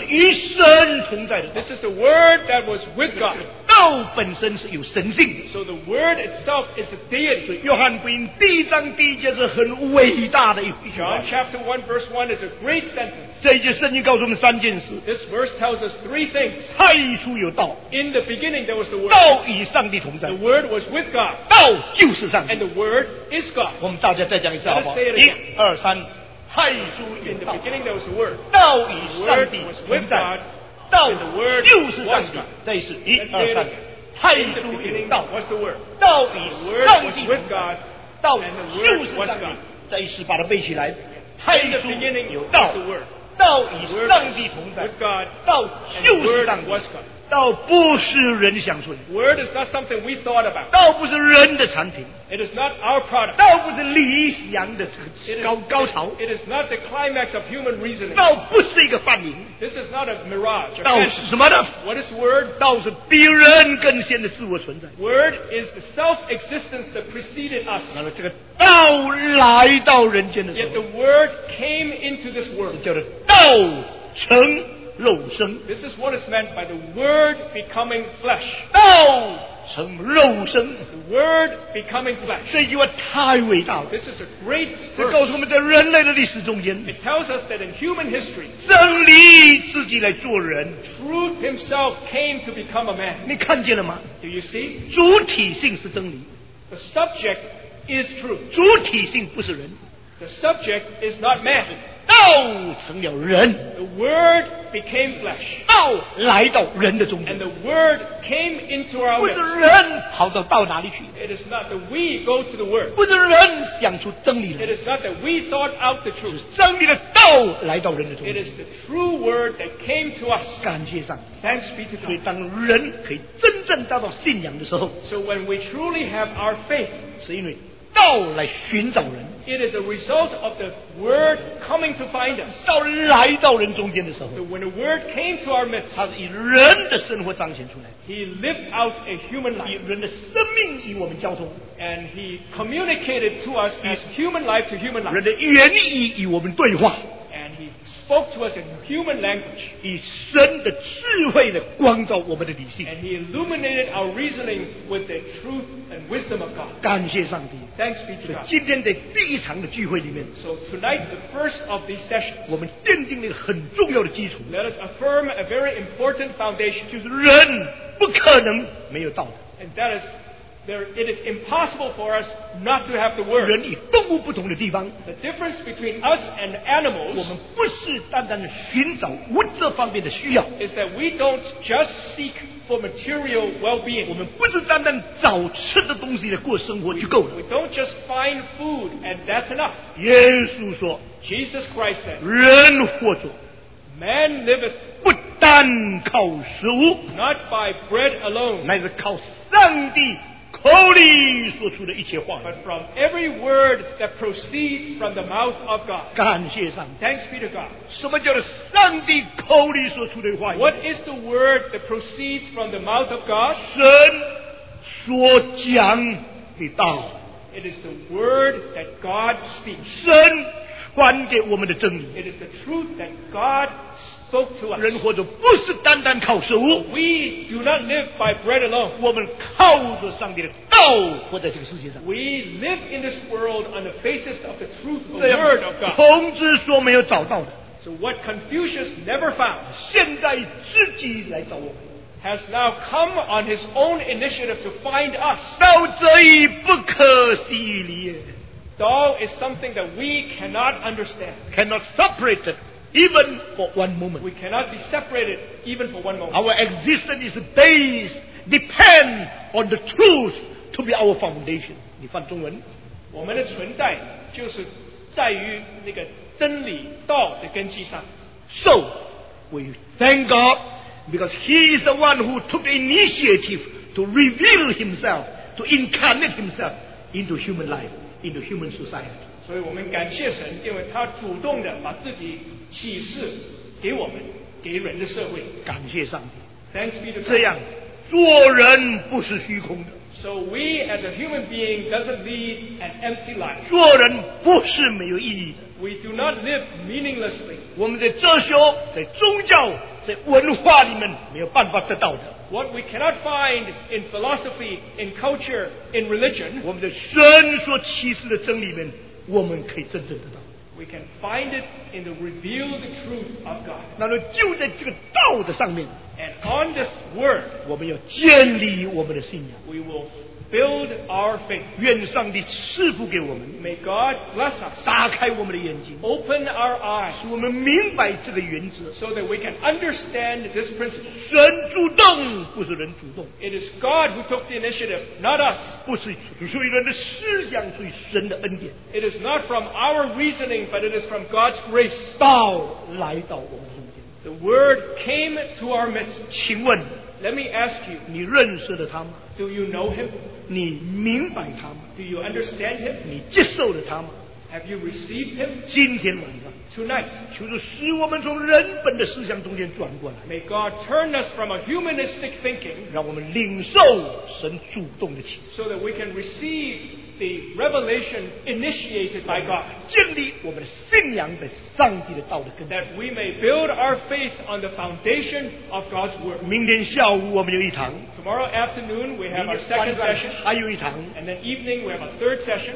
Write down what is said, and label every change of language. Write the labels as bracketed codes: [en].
[zh] 是与神同在的道。 [en] This is the word that was with God. [zh] 道本身是有神性的。 [en] So the word itself is a deity. [zh] 约翰福音第一章第一节是很伟大的一句话。 [en] John chapter 1 verse 1 is a great sentence. [zh] 这一节圣经告诉我们三件事。 [en] This verse tells us three things. [zh] 太初有道。 [en] In the beginning there was the word. [zh] 道与上帝同在。 [en] The word was with God. [zh] 道就是上帝。 [en] And the word is God. [zh] 我们大家再讲一下好不好？一二三，太初有道。 [en] In the beginning there was the word. [zh] 道与上帝同在。道就是上帝。再一次，一二三，太初有道。 [en] What's the word? [zh] 道与上帝同在。道就是上帝。再一次把它背起来。太初有道。道与上帝同在。道就是上帝。道不是人想出来的。 [en] Word is not something we thought about. [zh] 道不是人的产品。 [en] It is not our product. [zh] 道不是理想的高潮。 [en] It is not the climax of human reasoning. [zh] 道不是一个幻影。 [en] This is not a mirage. [zh] 道是什么呢？ [en] What is word? [zh] 道是比人更先的自我存在。 [en] Word is the self-existence that preceded us. [zh] 那么这个道来到人间的时候。 [en] Yet the word came into this world. [zh] 叫做道成肉身。 [en] This is what is meant by the word becoming flesh. [zh] 道成肉身。 [en] The word becoming flesh. [zh] 这句话太伟大了。 [en] This is a great verse. [zh] 这告诉我们在人类的历史中间。 [en] It tells us that in human history, [zh] 真理自己来做人。 [en] Truth himself came to become a man. [zh] 你看见了吗？ [en] Do you see? [zh] 主体性是真理。 [en] The subject is truth. [zh] 主体性不是人。 [en] The subject is not man. [zh] 道成了人。 [en] The word became flesh. [zh] 道来到人的中间。 [en] And the word came into our [zh] lives. 不是人跑到道哪里去。 [en] It is not that we go to the word. [zh] 不是人想出真理来。 [en] It is not that we thought out the truth. [zh] 是真理的道来到人的中间。 [en] It is the true word that came to us. [zh] 感谢上帝。 [en] Thanks be to God. [zh] 所以当人可以真正达到信仰的时候。 [en] So when we truly have our faith. [zh] 是因为道来寻找人。 [en] It is a result of the word coming to find us. [zh] 道来到人中间的时候。 [en] So when the word came to our midst. [zh] 他是以人的生活彰显出来。 [en] He lived out a human life. [zh] 以人的生命与我们交通。 [en] And he communicated to us as human life to human life. [zh] 人的言语与我们对话。 [en] And he spoke to us in human language. [zh] 以神的智慧的光照我们的理性。 [en] And he illuminated our reasoning with the truth and wisdom of God. [zh] 感谢上帝。 [en] Thanks be to God. [zh] 今天在第一堂的聚会里面。 [en] So tonight, the first of these sessions. [zh] 我们奠定了一个很重要的基础。 [en] Let us affirm a very important foundation. [zh] 就是人不可能没有道德。 [en] And that is, it is impossible for us not to have the word. [zh] 人与动物不同的地方。 [en] The difference between us and animals. [zh] 我们不是单单的寻找物质方面的需要。 [en] Is that we don't just seek for material well-being. [zh] 我们不是单单找吃的东西来过生活就够了。 [en] We don't just find food and that's enough. [zh] 耶稣说。 [en] Jesus Christ said. [zh] 人活着。 [en] Man liveth. [zh] 不单靠食物。 [en] Not by bread alone. [zh] 乃是靠上帝口里说出的一切话。 [en] But from every word that proceeds from the mouth of God. [zh] 感谢上帝。 [en] Thanks be to God. [zh] 什么叫做上帝口里说出的话语？ [en] What is the word that proceeds from the mouth of God? [zh] 神所讲的道。 [en] It is the word that God speaks. [zh] 神传给我们的真理。 [en] It is the truth that God speaks. [zh] 人活着不是单单靠食物。 [en] We do not live by bread alone. [zh] 我们靠着上帝的道活在这个世界上。 [en] We live in this world on the basis of the truth, the word of God. [zh] 孔子说没有找到的。 [en] So what Confucius never found. [zh] 现在自己来找我们。 [en] Has now come on his own initiative to find us. [zh] 道这一不可思议理。 [en] 道 is something that we cannot understand. Cannot separate it. Even for one moment. We cannot be separated even for one moment. Our existence is based, depend on the truth to be our foundation. [zh] 你翻中文。我们的存在就是在于那个真理道的根基上。 [en] So, we thank God because He is the one who took the initiative to reveal Himself, to incarnate Himself into human life, into human society. [zh] 所以我们感谢神，因为他主动的把自己启示给我们，给人的社会。感谢上帝。 [en] Thanks be to God. [zh] 这样，做人不是虚空的。 [en] So we as a human being doesn't lead an empty life. [zh] 做人不是没有意义的。 [en] We do not live meaninglessly. [zh] 我们在哲学、在宗教、在文化里面没有办法得到的。 [en] What we cannot find in philosophy, in culture, in religion. [zh] 我们在神所启示的真理里面，我们可以真正得到。 [en] We can find it in the revealed truth of God. [zh] 那么就在这个道的上面。 [en] And on this word, [zh] 我们要建立我们的信仰。 [en] We will build our faith. [zh] 愿上帝赐福给我们。 [en] May God bless us. [zh] 打开我们的眼睛。 [en] Open our eyes. [zh] 使我们明白这个原则。 [en] So that we can understand this principle. [zh] 神主动，不是人主动。 [en] It is God who took the initiative, not us. [zh] 不是出于人的思想，出于神的恩典。 [en] It is not from our reasoning, but it is from God's grace. [zh] 道来到我们中间。 [en] The word came to our midst. [zh] 请问。 [en] Let me ask you, [zh] 你认识了他吗？ [en] Do you know him? [zh] 你明白他吗？ [en] Do you understand him? [zh] 你接受了他吗？ [en] Have you received him? [zh] 今天晚上， [en] Tonight, [zh] 求主使我们从人本的思想中间转过来。 [en] May God turn us from a humanistic thinking, [zh] 让我们领受神主动的启示。 [en] So that we can receive the revelation initiated by God. [zh] 建立我们的信仰在上帝的道的根。 [en] That we may build our faith on the foundation of God's word. [zh] 明天下午我们有一堂。 [en] Tomorrow afternoon we have our second session. [zh] 还有一堂。 [en] And then evening we have a third session.